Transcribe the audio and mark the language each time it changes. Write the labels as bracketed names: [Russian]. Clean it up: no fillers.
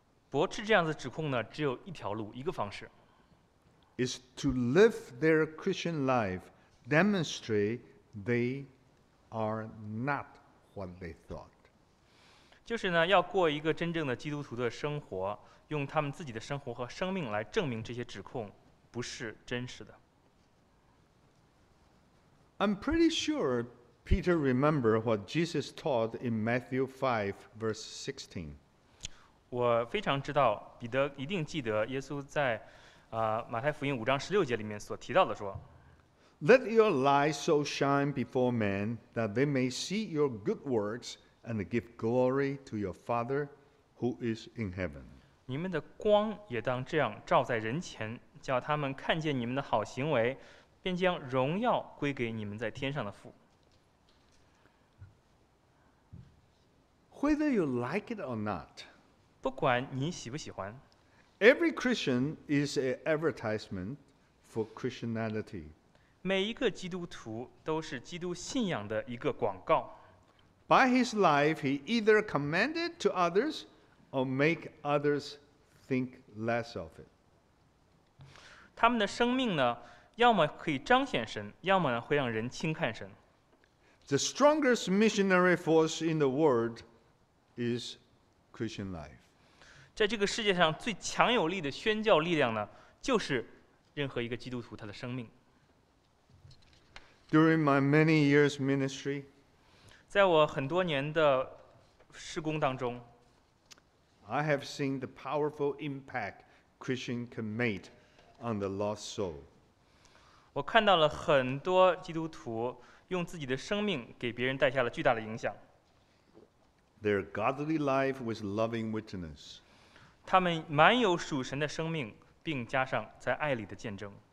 [Chinese] 驳斥这样的指控呢，只有一条路，一个方式。 [English] Is to live their Christian life, demonstrate they are not what they thought。 [Chinese] 就是呢，要过一个真正的基督徒的生活，用他们自己的生活和生命来证明这些指控不是真实的。 [English] I'm pretty sure Peter remembered what Jesus taught in Matthew 5, verse 16. [Chinese] 我非常知道彼得一定记得耶稣在马太福音五章十六节里面所提到的说 [English] Let your light so shine before men that they may see your good works and give glory to your Father who is in heaven. [Chinese] 你们的光也当这样照在人前，叫他们看见你们的好行为，便将荣耀归给你们在天上的父。 [English] Whether you like it or not, [Chinese] 不管你喜不喜欢， [English] Every Christian is an advertisement for Christianity. [Chinese] 每一个基督徒都是基督信仰的一个广告。 [English] By his life, he either commanded to others or make others think less of it. [Chinese] 他们的生命呢，要么可以彰显神，要么会让人轻看神。 [English] The strongest missionary force in the world is Christian life. [Chinese] 在这个世界上最强有力的宣教力量呢，就是任何一个基督徒他的生命。 [English] During my many years ministry, [Chinese] 在我很多年的事工当中， [English] I have seen the powerful impact Christian can make on the lost soul. [Chinese] 我看到了很多基督徒用自己的生命给别人带下了巨大的影响。 [English] Their godly life with loving witness. [Chinese] 他们满有属神的生命，并加上在爱里的见证。